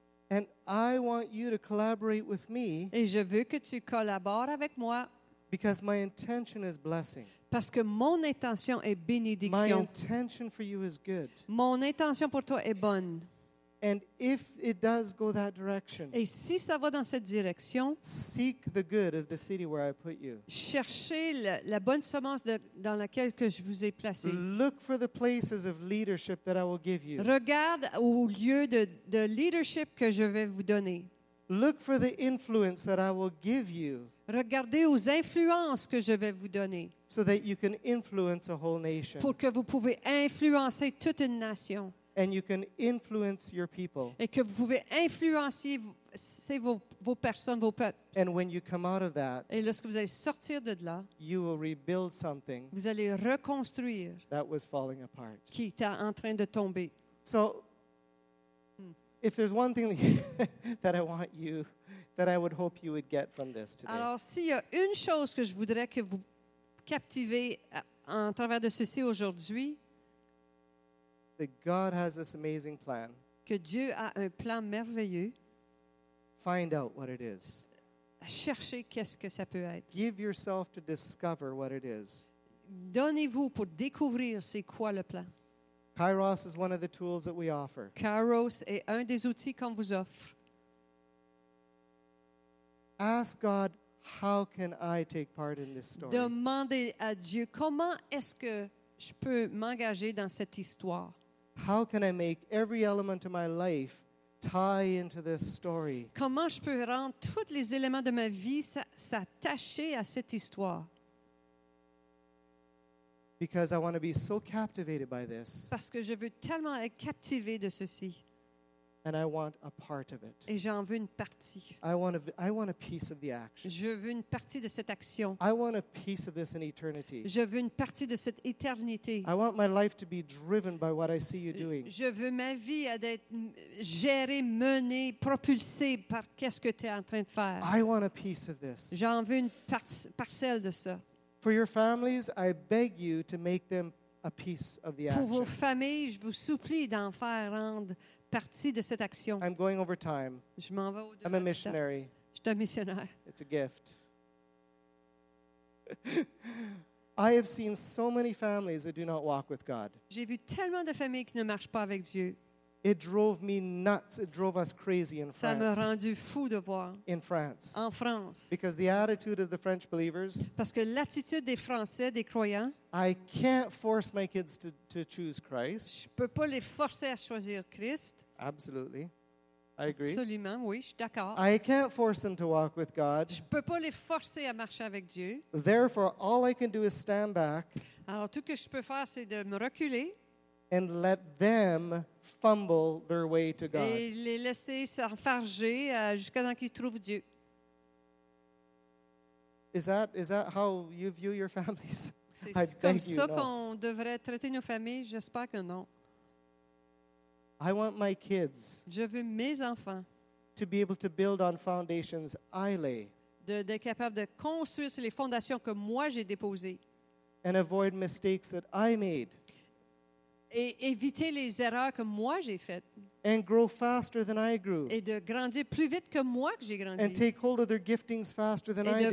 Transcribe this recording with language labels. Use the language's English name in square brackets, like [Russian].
[English] And I want you to collaborate with me. [French] Et je veux que tu collabores avec moi. [English] Because my intention is blessing. [French] Parce que mon intention est bénédiction. [English] My intention for you is good. [French] Mon intention pour toi est bonne. [English] And if it does go that direction, [French] et si ça va dans cette direction, [English] seek the good of the city where I put you. [French] Cherchez la bonne semence dans laquelle que je vous ai placé. [English] Look for the places of leadership that I will give you. [French] Regarde au lieu de leadership que je vais vous donner. [English] Look for the influence that I will give you. [French] Regardez aux influences que je vais vous donner. [English] So that you can influence a whole nation. [French] Pour que vous pouvez influencer toute une nation. [English] And you can influence your people. [French] Et que vous pouvez influencer vos personnes, vos peuples. [English] And when you come out of that, [French] et lorsque vous allez sortir de là, [English] you will rebuild something. [French] Vous allez reconstruire [English] that was falling apart. [French] Qui était en train de tomber. [English] So, if there's one thing that I want you, that I would hope you would get from this today. [French] Alors, s'il y a une chose que je voudrais que vous captivez en travers de ceci aujourd'hui. [English] That God has this amazing plan. [French] Que Dieu a un plan merveilleux. [English] Find out what it is. [French] Cherchez qu'est-ce que ça peut être. [English] Give yourself to discover what it is. [French] Donnez-vous pour découvrir c'est quoi le plan. [English] Kairos is one of the tools that we offer. [French] Kairos est un des outils qu'on vous offre. [English] Ask God, how can I take part in this story? [French] Demandez à Dieu, comment est-ce que je peux m'engager dans cette histoire? [English] How can I make every element of my life tie into this story? [French] Comment je peux rendre tous les éléments de ma vie s'attacher à cette histoire? [English] Because I want to be so captivated by this. [French] Parce que je veux tellement être captivé de ceci. [English] And I want a part of it. [French] Et j'en veux une partie. [English] I want a piece of the action. [French] Je veux une partie de cette action. [English] I want a piece of this in eternity. [French] Je veux une partie de cette éternité. [English] I want my life to be driven by what I see you doing. [French] Je veux ma vie à être gérée, menée, propulsée par qu'est-ce que tu es en train de faire. [English] I want a piece of this. [French] J'en veux une parcelle de ça. [English] For your families, I beg you to make them a piece of the action. [French] Pour vos familles, je vous supplie d'en faire rendre partie de cette action. [English] I'm going over time. [French] Je m'en vais au-delà. [English] I'm a missionary. [French] Je suis un missionnaire. [English] It's a gift. I have seen so many families that do not walk with God. [French] J'ai vu tellement de familles qui ne marchent pas avec Dieu. [English] It drove me nuts. It drove us crazy in France. [French] Ça m'a rendu fou de voir. [English] In France. [French] En France. [English] Because the attitude of the French believers. [French] Parce que l'attitude des Français, des croyants. [English] I can't force my kids to choose Christ. [French] Je peux pas les forcer à choisir Christ. [English] Absolutely. I agree. [French] Absolument, oui, je suis d'accord. [English] I can't force them to walk with God. [French] Je peux pas les forcer à marcher avec Dieu. [English] Therefore, all I can do is stand back. [French] Alors, tout que je peux faire, c'est de me reculer. [English] And let them fumble their way to God. [French] Et les laisser s'enfarger jusqu'à temps qu'ils trouvent Dieu. [English] Is that how you view your families? [French] C'est comme ça qu'on devrait traiter nos familles? J'espère que non. [English] I want my kids. [French] Je veux mes enfants. [English] To be able to build on foundations I lay. [French] D'être capable de construire sur les fondations que moi j'ai déposées. [English] And avoid mistakes that I made. [French] Et éviter les erreurs que moi j'ai faites. [English] And grow faster than I grew. [French] Et de grandir plus vite que moi que j'ai grandi. [English] And take hold of their giftings faster than I did.